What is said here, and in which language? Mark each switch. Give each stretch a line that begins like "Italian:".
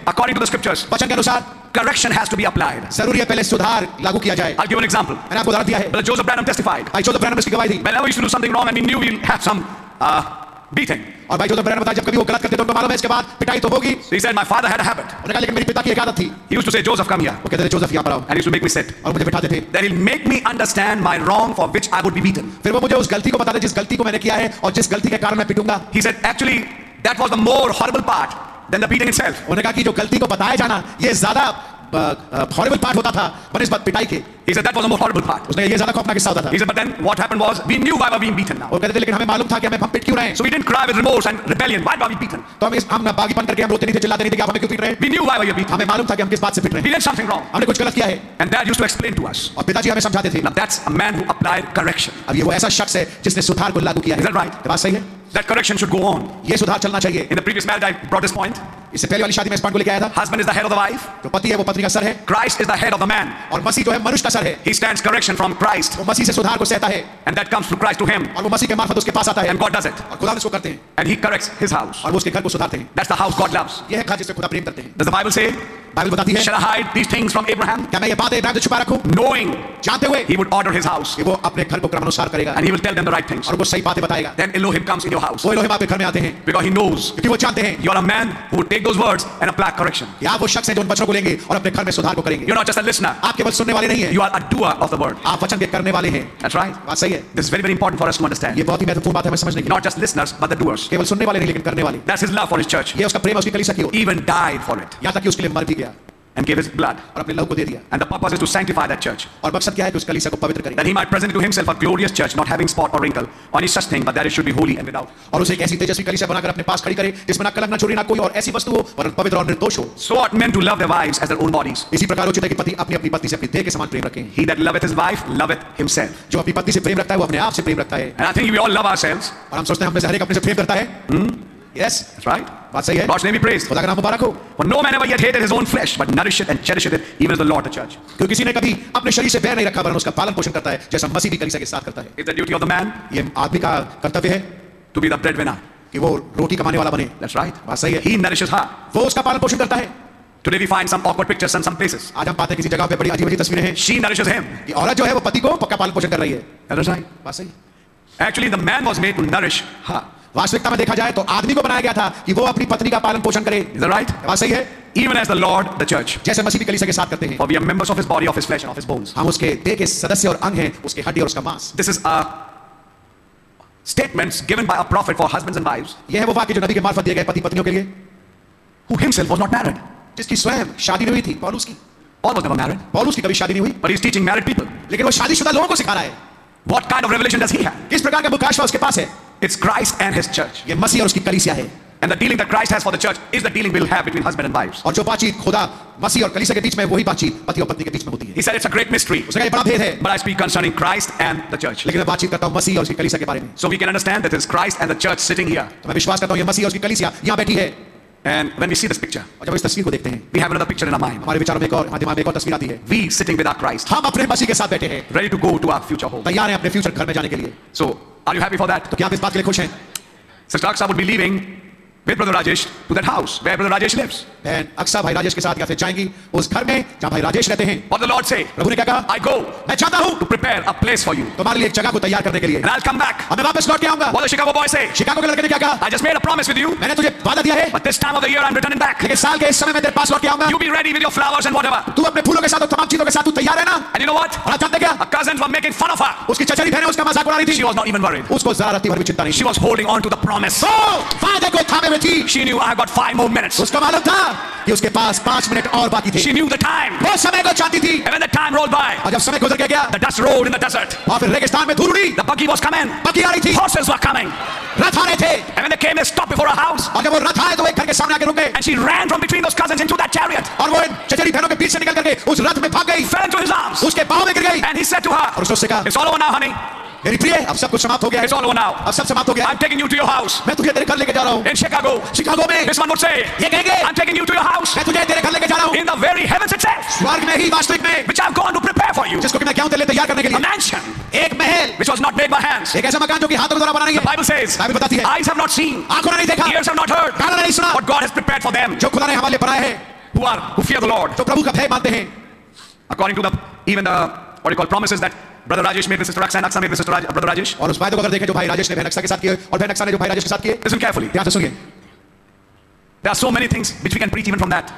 English: According to the scriptures.
Hindi: वचन के अनुसार.
English: Correction has to be applied.
Hindi: जरूरी है पहले सुधार लागू किया जाए.
English: I'll give an example.
Hindi: मैंने आपको उदाहरण दिया है.
English: But Joseph Branham testified.
Hindi: I Joseph Branham इसकी गवाही दी.
English: Whenever you should do something wrong, and we knew we'll have some beating.
Hindi: और भाई जो ब्रैनम बताया जब कभी वो गलत करते तो उनको मालूम है इसके बाद पिटाई तो होगी.
English: He said my father had a habit.
Hindi: उन्होंने कहा लेकिन मेरे पिता की एक आदत थी.
English: He used to say Joseph come here.
Hindi: वो कहते थे जोसेफ यहाँ पर आओ.
English: And he used to make me sit.
Hindi: और मुझे बिठाते थे.
English: Then he'll make me understand my wrong for which I would be beaten.
Hindi: फिर वो मुझे उस गलती को बताते जिस गलती को मैंने किया है और जिस गलती के कारण मैं पिटूंगा.
English: He said actually that was the more horrible part than the beating itself.
Hindi: उन्होंने कहा कि जो गलती को बताया जाना ये ज्यादा
English: horrible part
Hindi: होता था पर इस बात पिटाई के.
English: He said that was the most horrible part.
Hindi: उसने ये ज़्यादा खौफनाक किस्सा होता था.
English: He said but then what happened was we knew why we were being beaten.
Hindi: और कहते थे लेकिन हमें मालूम था कि हमें पिट क्यों रहे हैं.
English: So we didn't cry with remorse and rebellion. Why were we beaten?
Hindi: तो हम ना बागीपन करके हम रोते नहीं थे चिल्लाते नहीं थे कि आप हमें क्यों पिट रहे हैं.
English: We knew why we were beaten.
Hindi: हमें मालूम था कि हम किस बात से पिट रहे हैं.
English: We did something wrong.
Hindi: हमने कुछ गलत किया है.
English: And dad used to explain to us.
Hindi: और पिताजी हमें समझाते थे.
English: Now that's a man who applied correction.
Hindi: अब ये वो ऐसा शख्स है जिसने सुधार को लागू किया है.
English: Is that right?
Hindi: ये बात सही है.
English: That correction should go on.
Hindi: ये सुधार चलना चाहिए.
English: In the previous marriage I brought this point.
Hindi: इससे पहले वाली शादी में इस पॉइंट को लेकर आया था.
English: Husband is the head of the wife.
Hindi: जो पति है वो पत्नी का सर है.
English: Christ is the head of the man.
Hindi: और मसीह जो है मनुष्य का सर है.
English: He stands correction from Christ.
Hindi: वो मसीह से सुधार को सहता है.
English: And that comes through Christ to him.
Hindi: और वो मसीह के मार्फत उसके पास आता है.
English: And God does it.
Hindi: और खुदा इसको करते हैं.
English: And he corrects his house.
Hindi: और वो उसके घर को सुधारते हैं.
English: That's the house God loves.
Hindi: ये है घर जिसे खुदा प्रेम करते हैं.
English: Does the Bible say?
Hindi: Bible बताती है.
English: Shall I hide these things from Abraham?
Hindi: क्या मैं ये बातें अब्राहम से छुपा रखूं?
English: Knowing.
Hindi: जानते हुए.
English: He would order his house.
Hindi: कि वो अपने घर को क्रमानुसार करेगा.
English: And he will tell them the right things.
Hindi: और वो सही बातें बताएगा.
English: Then Elohim comes in your house.
Hindi: वो Elohim आपके घर में आते हैं.
English: Because he knows.
Hindi: क्योंकि वो जानते हैं.
English: You are a man who would take those words and apply correction.
Hindi: या वो शख्स है जो उन वचनों को लेंगे और अपने घर में सुधार को करेंगे.
English: You are not just a listener.
Hindi: आप केवल सुनने वाले नहीं हैं.
English: You are a doer of the word.
Hindi: आप वचन के करने वाले हैं.
English: That's right.
Hindi: बात सही है.
English: This is very very important for us to understand.
Hindi: ये बहुत ही महत्वपूर्ण बात है हमें समझने की.
English: Not just listeners but the doers.
Hindi: केवल सुनने वाले नहीं लेकिन करने वाले.
English: That's his love for his church.
Hindi: ये उसका प्रेम उसकी कलीसिया की ओर.
English: Even died for it.
Hindi: यहां तक कि उसके लिए मर भी गया.
English: And gave his blood.
Hindi: और अपने लहू को दे दिया.
English: And the purpose is to sanctify that church.
Hindi: और मकसद क्या है कि उस कलीसिया को पवित्र करे.
English: That he might present to himself a glorious church, not having spot or wrinkle, or any such thing, but that it should be holy and without.
Hindi: और उसे एक ऐसी तेजस्वी कलीसिया बनाकर अपने पास खड़ी करे, जिसमें ना कलंक ना चोरी ना कोई और ऐसी वस्तु हो, वरन पवित्र और निर्दोष हो.
English: So ought men to love their wives as their own bodies.
Hindi: इसी प्रकार उचित है कि पति अपनी अपनी पत्नी से अपनी देह के समान प्रेम रखे.
English: He that loveth his wife loveth himself.
Hindi: जो अपनी पत्नी से प्रेम रखता है वो अपने आप से प्रेम रखता है.
English: And I think we all love ourselves.
Hindi: और हम सोचते हैं हम में से हर एक अपने से प्रेम करता है.
English: Yes, that's right.
Hindi: बात सही है.
English: God's name be praised.
Hindi: खुदा का नाम मुबारक हो.
English: For no man ever yet hated his own flesh, but nourished and cherished it, even as the Lord the church.
Hindi: क्योंकि किसी ने कभी अपने शरीर से बैर नहीं रखा, वरन उसका पालन पोषण करता है, जैसा मसीह भी कलीसिया के साथ करता है.
English: It's the duty of the man.
Hindi: ये आदमी का कर्तव्य है.
English: To be the breadwinner.
Hindi: कि वो रोटी कमाने वाला बने.
English: That's right.
Hindi: बात सही है.
English: He nourishes her.
Hindi: वो उसका पालन पोषण करता है.
English: Today we find some awkward pictures in some places.
Hindi: आज हम पाते हैं किसी जगह पे बड़ी अजीब अजीब तस्वीरें हैं.
English: She nourishes him.
Hindi: ये औरत जो है वो पति को पक्का पालन पोषण कर रही है.
English: That's right.
Hindi: बात सही.
English: Actually the man was made to nourish her.
Hindi: वास्तविकता में देखा जाए तो आदमी को बनाया गया था कि वो अपनी पत्नी का पालन पोषण करे.
English: Is that right?
Hindi: बात सही है.
English: Even as the Lord, the church.
Hindi: जैसे मसीह भी कलीसिया के साथ करते हैं.
English: For we are members of his body, of his flesh, and of his bones.
Hindi: हम उसके देह के सदस्य और अंग हैं, उसके हड्डी और उसका मांस.
English: This is a statement given by a prophet for husbands and wives.
Hindi: यह है वो वाक्य जो नबी के मार्फत दिए गए पति पत्नियों के लिए.
English: Who himself was not married.
Hindi: जिसकी स्वयं शादी नहीं हुई थी. पौलुस की.
English: Paul was never married.
Hindi: पौलुस की कभी शादी नहीं हुई.
English: But he's teaching married people.
Hindi: लेकिन वो शादीशुदा लोगों को सिखा रहा है.
English: What kind of revelation does he have?
Hindi: किस प्रकार का बुकाश उसके पास है?
English: It's Christ and His church.
Hindi: ये मसीह और उसकी कलीसिया है.
English: And the dealing that Christ has for the church is the dealing we will have between husband and wives.
Hindi: और जो बातचीत खुदा मसीह और कलीसिया के बीच में है वही बातचीत पति और पत्नी के बीच में होती है.
English: He said it's a great mystery.
Hindi: उसने कहा ये बड़ा भेद है.
English: But I speak concerning Christ and the church.
Hindi: लेकिन मैं बातचीत करता हूँ मसीह और उसकी कलीसिया के बारे में.
English: So we can understand that it's Christ and the church sitting here.
Hindi: तो मैं विश्वास करता हूँ ये मसीह और उसकी कलीसिया यहाँ बैठी है.
English: And when we see this picture,
Hindi: और जब इस तस्वीर को देखते हैं,
English: we have another picture in our mind.
Hindi: हमारे विचारों में एक और दिमाग में एक और तस्वीर आती है.
English: We sitting with our Christ.
Hindi: हम अपने मसीह के साथ बैठे हैं.
English: Ready to go to our future home.
Hindi: तैयार हैं अपने future घर में जाने के लिए.
English: So are you happy for that?
Hindi: तो क्या आप इस बात के लिए खुश हैं?
English: Sister Aksha would be leaving with Brother Rajesh to that house where Brother Rajesh lives.
Hindi: Then Aksha भाई राजेश के साथ यहाँ से जाएंगी उस घर में जहाँ भाई राजेश रहते हैं.
English: But the Lord say,
Hindi: प्रभु ने क्या कहा?
English: I go.
Hindi: मैं जाता हूँ
English: to prepare a place for you.
Hindi: तुम्हारे लिए एक जगह को तैयार करने के लिए.
English: And I'll come back.
Hindi: अब मैं वापस लौट के आऊँगा.
English: What the Chicago boy say?
Hindi: Chicago के लड़के ने क्या कहा?
English: I just made a promise with you.
Hindi: मैंने तुझे वादा दिया है.
English: But this time of the year I'm returning back.
Hindi: लेकिन साल के इस समय मैं तेरे पास लौट के आऊँगा.
English: You be ready with your flowers and whatever.
Hindi: तू अपने फूलों के साथ और तमाम चीजों के साथ तू तैयार है ना?
English: And you know what?
Hindi: और जानते क्या?
English: A cousin was making fun of her.
Hindi: उसकी चचेरी बहन उसका मजाक उड़ा रही थी.
English: She was not even worried.
Hindi: उसको जरा भी चिंता नहीं.
English: She was holding on to the promise.
Hindi: So, वादे को थामे हुए थी.
English: She knew I got 5 more minutes.
Hindi: उसको मालूम था कि उसके पास 5 मिनट और बाकी थे.
English: She knew the time.
Hindi: वो समय को चाहती थी.
English: And when the time rolled by.
Hindi: और जब समय गुजर गया.
English: The dust rolled in the desert.
Hindi: और फिर रेगिस्तान में धूल उड़ी.
English: The buggy was coming.
Hindi: बकी आ रही थी.
English: Horses were coming.
Hindi: रथ आ रहे थे.
English: And when they came, they stopped before a house.
Hindi: और जब वो रथ आए तो एक घर के सामने आके रुक गए.
English: And she ran from between those cousins into that chariot.
Hindi: और वो चचेरी बहनों के बीच से निकल करके उस रथ में भाग गई.
English: Fell into his arms.
Hindi: उसके पांव में गिर गई.
English: And he said to her.
Hindi: और उसने कहा.
English: It's all over now, honey.
Hindi: मेरी प्रिय अब सब कुछ समाप्त हो गया.
English: It's all over now.
Hindi: अब सब समाप्त हो गया.
English: I'm taking you to your house.
Hindi: मैं तुझे तेरे घर लेके जा रहा हूँ.
English: In Chicago.
Hindi: Chicago में.
English: This one would say.
Hindi: ये कहेंगे.
English: I'm taking you to your house.
Hindi: मैं तुझे तेरे घर लेके जा रहा हूँ.
English: In the very heavens itself.
Hindi: स्वर्ग में ही वास्तविक में.
English: Which I've gone to prepare for you.
Hindi: जिसको कि मैं क्या तेरे लिए तैयार करने के लिए.
English: A mansion.
Hindi: एक महल.
English: Which was not made by hands.
Hindi: एक ऐसा मकान जो कि हाथों के द्वारा बनाया गया.
English: The Bible says.
Hindi: बाइबल बताती है.
English: Eyes have not seen.
Hindi: आंखों ने नहीं देखा.
English: Ears have not heard.
Hindi: कानों ने नहीं सुना.
English: What God has prepared for them.
Hindi: जो खुदा ने हमारे लिए बनाया है.
English: Who fear the Lord.
Hindi: जो प्रभु का भय मानते हैं.
English: According to the even the what you call promises that Brother Rajesh made Sister Aksha and Aksha made Sister Raj, Brother Rajesh.
Hindi: और उस बाइबल को अगर देखें जो भाई राजेश ने बहन अक्षा के साथ किए और बहन अक्षा ने जो भाई राजेश के साथ किए.
English: Listen carefully.
Hindi: ध्यान से सुनिए.
English: There are so many things which we can preach even from that.